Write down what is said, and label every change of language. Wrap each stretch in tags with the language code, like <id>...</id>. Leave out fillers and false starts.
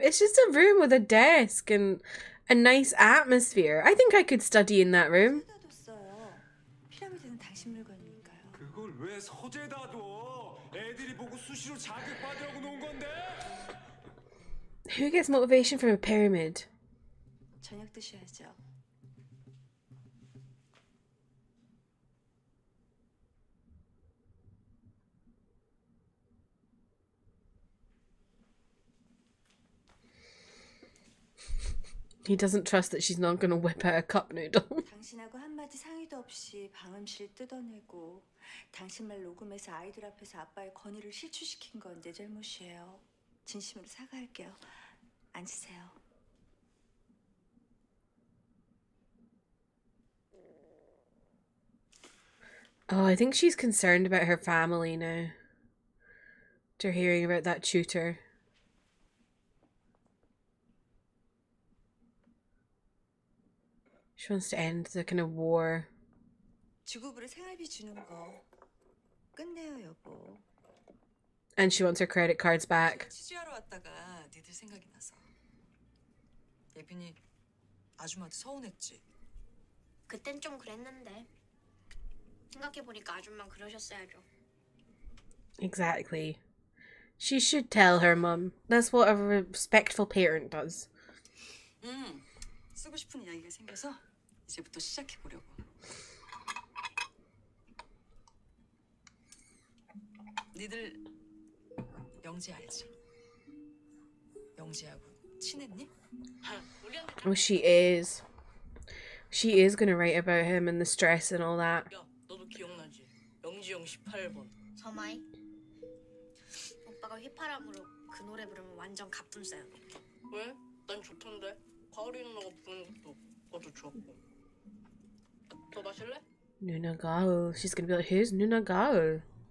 <en>It's just a room with a desk and a nice atmosphere. I think I could study in that room.</en> <ko>피라미드는 당신 물건이니까요. 그걸 왜 서재다 둬? 애들이 보고 수시로 자극 받으려고 놓은 건데.</ko> <en>Who gets motivation from a pyramid?</en> <ko>저녁 드셔야죠.</ko> <en>He doesn't trust that she's not going to whip out a cup noodle.</en> <ko>당신하고 한마디 상의도 없이 방음실 뜯어내고 당신 말 녹음해서 아이들 앞에서 아빠의 권위를 실추시킨 건 내 잘못이에요. 진심으로 사과할게요. 앉으세요.</ko> <en>Oh, I think she's concerned about her family now. After hearing about that tutor. She wants to end the kind of war.</en> <ko>주급으로 생활비 주는 거 끝내요, 여보.</ko> <en>And she wants her credit cards back.</en> <ko>취재하러 왔다가 니들 생각이 나서. 예빈이 아줌마한테 서운했지. 그땐 좀 그랬는데. 생각해 보니까 아줌마 그러셨어야죠.</ko> <en>Exactly. She should tell her mom. That's what a respectful parent does.</en> <ko>쓰고 싶은 이야기가 생겨서 이제부터 시작해 보려고. 니들 영지 알지? 영지하고 친했니?</ko> <en>Oh, she is. She is gonna write about him and the stress and all that.</en> <ko>야, 너도 기억나지? 영지영 18번. 서마이. 오빠가 휘파람으로 그 노래 부르면 완전 갑분싸요. 왜? 난 좋던데. 가을이 누나가 부르는 것도 아주 좋았고. 더 마실래? 누나 가을.</ko> <en>She's gonna be like, who's 누나 가을?</en>